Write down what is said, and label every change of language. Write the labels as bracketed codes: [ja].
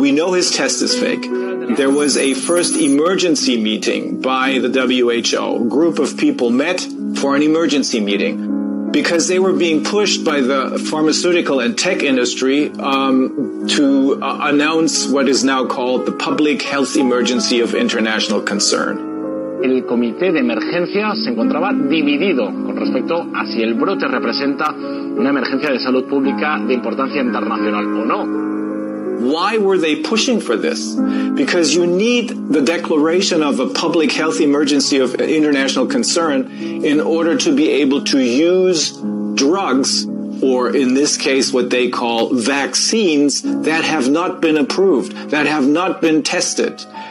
[en] We know his test is fake. There was a first emergency meeting by the WHO. A group of people met for an emergency meeting because they were being pushed by the pharmaceutical and tech industry to announce what is now called the Public Health Emergency of International Concern. [es] El comité de emergencia se encontraba dividido con respecto a si el brote representa una emergencia de salud pública de importancia internacional o no. [en] Why were they pushing for this? Because you need the declaration of a public health emergency of international concern in order to be able to use drugs, or in this case, what they call vaccines, that have not been approved, that have not been tested.